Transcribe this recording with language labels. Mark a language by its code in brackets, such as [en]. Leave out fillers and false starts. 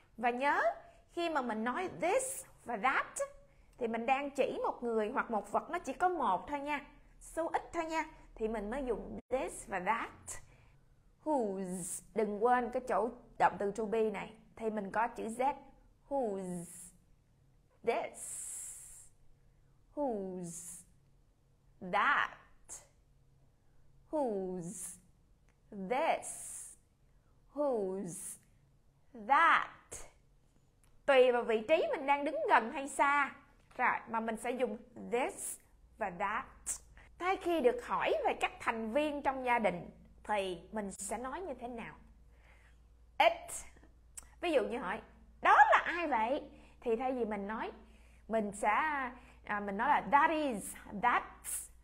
[vi] Và nhớ, khi mà mình nói this và that thì mình đang chỉ một người hoặc một vật, nó chỉ có một thôi nha, số ít thôi nha, thì mình mới dùng this và that. Who's, đừng quên cái chỗ động từ to be này, thì mình có chữ Z. [en] Who's this, who's that, who's this, who's that. [vi] Tùy vào vị trí mình đang đứng gần hay xa, rồi mà mình sẽ dùng this và that. Thay khi được hỏi về các thành viên trong gia đình thì mình sẽ nói như thế nào? It. Ví dụ như hỏi đó là ai vậy, thì thay vì mình nói, mình sẽ mình nói là [en] that is, that's,